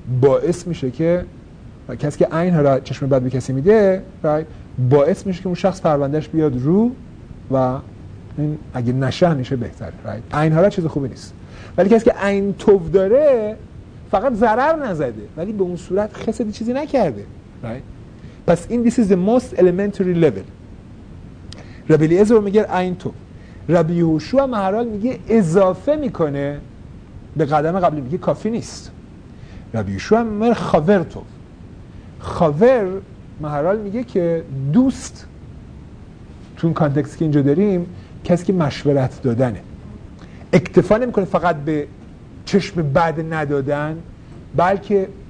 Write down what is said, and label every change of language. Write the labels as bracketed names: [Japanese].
[Persian] باعث میشه که و کسی که عین را چشم بد به کسی میده باعث میشه که اون شخص پروندهش بیاد رو و این اگه نشه میشه بهتره. عین را چیز خوبی نیست، ولی کسی که عین توف داره فقط ضرر نزده ولی به اون صورت خسدی چیزی نکرده. پس این [English] this is the most elementary level. [Persian] رابی الیعزر میگه عین توف. رابی یهوشوع مهرال میگه اضافه میکنه به قدم قبلی، میگه کافی نیست. رابی یهوشوع میگه خاور توف. خاور مهرال میگه که دوست تو اون کانتکست که اینجا داریم کسی که مشورت دادنه، اکتفا نمی کنه فقط به چشم بد ندادن، بلکه